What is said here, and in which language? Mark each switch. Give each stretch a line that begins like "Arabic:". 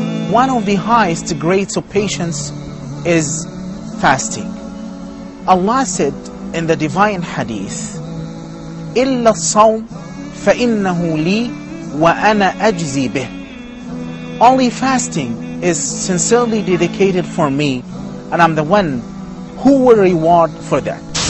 English: One of the highest grades of patience is fasting. Allah said, in the divine hadith,
Arabic: إِلَّا الصَّوْمِ فَإِنَّهُ لِي وَأَنَا أَجْزِي بِهِ.
English: Only fasting is sincerely dedicated for me, and I'm the one who will reward for that.